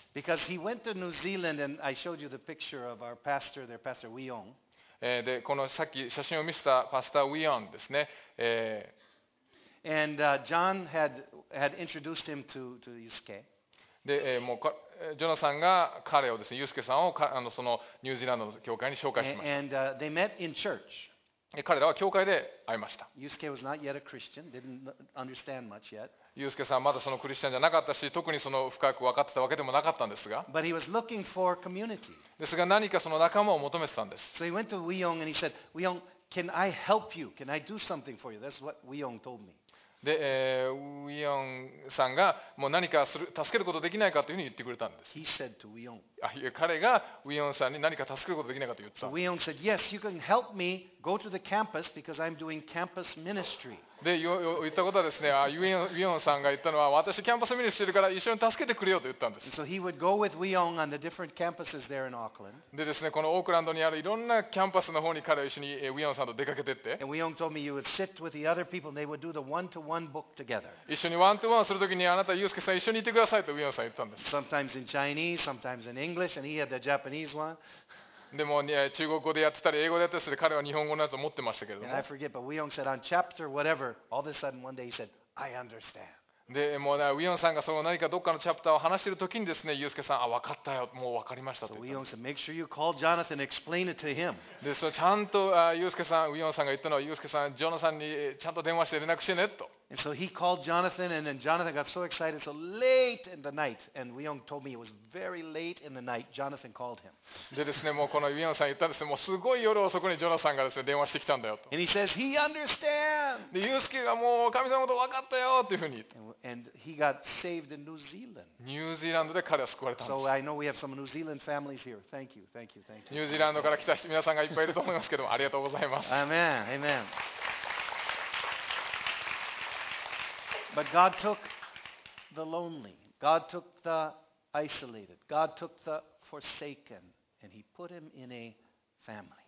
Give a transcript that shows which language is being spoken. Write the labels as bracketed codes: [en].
[en] Because he went to New Zealand and I showed you the picture of our pastor, their pastor Weon. [ja] でこのさっき写真を見せたパスターウィオンですね、 [en] And John had introduced him to Yusuke. [ja] で、もうジョナさんが彼をですね、ユースケさんをそのニュージーランドの教会に紹介しました。 [en] And they met in church. [ja] 彼らは教会で会いました。 [en] Yusuke was not yet a Christian, didn't understand much yet. [ja] ユースケさんはまだそのクリスチャンじゃなかったし、特にその深く分かってたわけでもなかったんですが。 [en] But he was looking for community. [ja] ですが何かその仲間を求めてたんです。 [en] So he went to Weon and he said, Weon, can I help you? Can I do something for you? That's what Weon told me. [ja] でウィヨンさんがもう何かする助けることできないかというふうに言ってくれたんです。 [en] He said to Weon. [ja] 彼がウィヨンさんに何か助けることできないかと言った。 [en] So Weon said, "Yes, you can help me go to the campus because I'm doing campus ministry." [ja] で言ったことはですね、ウィヨンさんが言ったのは、私キャンパスミニしてるから一緒に助けてくれよと言ったんです。 [en] And、so he would go with Weon on the different campuses there in Auckland. [ja] でですね、このオークランドにあるいろんなキャンパスの方に彼は一緒にウィヨンさんと出かけてって。 [en] And Weon told me you would sit with the other people and they would do the one-to-one book together. [ja] 一緒にワントゥワンするときにあなたユウスケさん一緒にいてくださいとウィヨンさん言ったんです。 [en] Sometimes in Chinese, sometimes in English, and he had the Japanese one. [ja] でも、ね、中国語でやってたり英語でやってたりで彼は日本語のやつを持ってましたけれども。 [en] And I forget, but Weon said on chapter whatever, all of a sudden one day he said, I understand. [ja] でもう、ね、ウィヨンさんがその何かどっかのチャプターを話しているときにですね、ユウスケさん、あ、分かったよ、もう分かりましたと。 [en] So Weon said, make sure you call Jonathan and explain it to him. [ja] でそのちゃんとユウスケさん、ウィヨンさんが言ったのは、ユウスケさん、ジョナサンにちゃんと電話して連絡してねと。 [en] And so he called Jonathan, and then Jonathan got so excited, so late in the night, and Weon told me it was very late in the night, Jonathan called him. [ja] でですね、もうこのウィヨンさん言ったんですね、もうすごい夜遅くにジョナサンがですね、電話してきたんだよと。 [en] And he says, he understands! [ja] で、ユウスケがもう神様のこと分かったよっていうふうに言って。 [en] And he got saved in New Zealand. [ja] ニュージーランドで彼は救われたんです。 [en] So I know we have some New Zealand families here. Thank you, thank you, thank you. [ja] ニュージーランドから来た皆さんがいっぱいいると思いますけども、ありがとうございます。 [en] Amen, amen. But God took the lonely, God took the isolated, God took the forsaken, and He put him in a family.